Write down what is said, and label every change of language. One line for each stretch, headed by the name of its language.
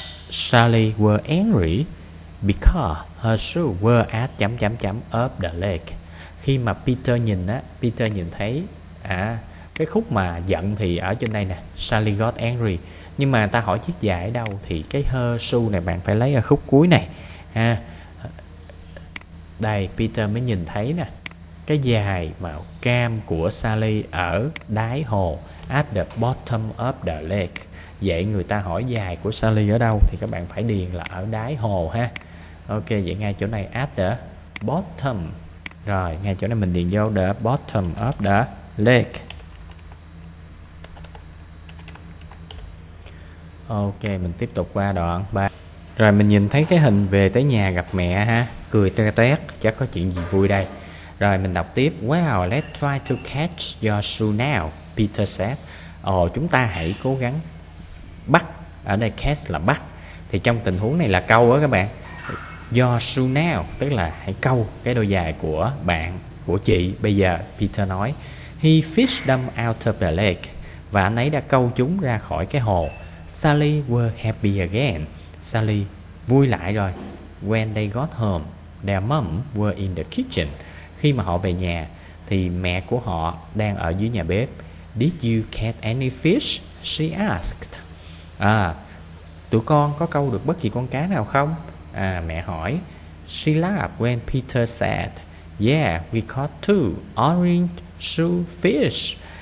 English: Sally were angry because her shoe were at
Vietnamese: chấm chấm chấm
English: up the lake.
Vietnamese: Khi mà Peter nhìn á, Peter nhìn thấy cái khúc mà giận thì ở trên đây nè,
English: Sally got angry.
Vietnamese: Nhưng mà ta hỏi chiếc giày ở đâu thì cái
English: her shoe
Vietnamese: này bạn phải lấy ở khúc cuối này ha. Đây Peter mới nhìn thấy nè, cái giày màu cam của Sally ở đáy hồ,
English: at the bottom of the lake.
Vietnamese: Vậy người ta hỏi giày của Sally ở đâu thì các bạn phải điền là ở đáy hồ ha. Ok vậy ngay chỗ này
English: at the bottom.
Vietnamese: Rồi ngay chỗ này mình điền vô
English: the bottom of the lake.
Vietnamese: Ok mình tiếp tục qua đoạn 3. Rồi mình nhìn thấy cái hình về tới nhà gặp mẹ ha, cười toe toét, chắc có chuyện gì vui đây. Rồi mình đọc tiếp.
English: Well, let's try to catch your shoe now, Peter said.
Vietnamese: Ồ, chúng ta hãy cố gắng bắt. Ở đây catch là bắt. Thì trong tình huống này là câu đó các bạn.
English: Your shoe now,
Vietnamese: tức là hãy câu cái đôi giày của bạn, của chị. Bây giờ Peter nói,
English: he fished them out of the lake.
Vietnamese: Và anh ấy đã câu chúng ra khỏi cái hồ.
English: Sally were happy again. Sally
Vietnamese: vui lại rồi.
English: When they got home, their mom were in the kitchen.
Vietnamese: Khi mà họ về nhà thì mẹ của họ đang ở dưới nhà bếp.
English: Did you catch any fish? She asked.
Vietnamese: À, tụi con có câu được bất kỳ con cá nào không? À, mẹ hỏi.
English: She laughed when Peter said, yeah, we caught two orange shoe fish.